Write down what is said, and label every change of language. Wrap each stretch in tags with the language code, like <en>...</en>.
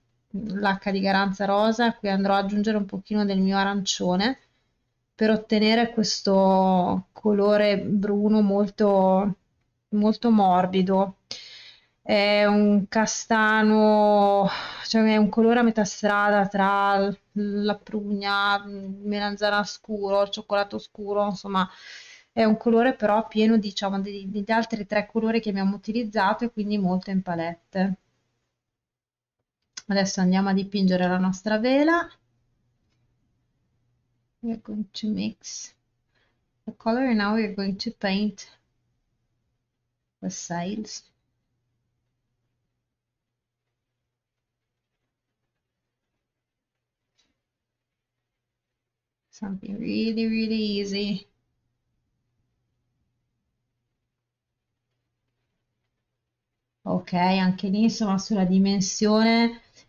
<it>l'acqua di Garanza Rosa, qui andrò ad aggiungere un pochino del mio arancione per ottenere questo colore bruno molto morbido, è un castano, cioè è un colore a metà strada tra la prugna, melanzana scuro, cioccolato scuro, insomma è un colore però pieno, diciamo, degli altri tre colori che abbiamo utilizzato e quindi molto in palette. Adesso andiamo a dipingere la nostra vela.</it> <en>We're going to mix the color and now we're going to paint the sails. Something really, really easy.</en> <it>Ok, anche lì, insomma, sulla dimensione</it>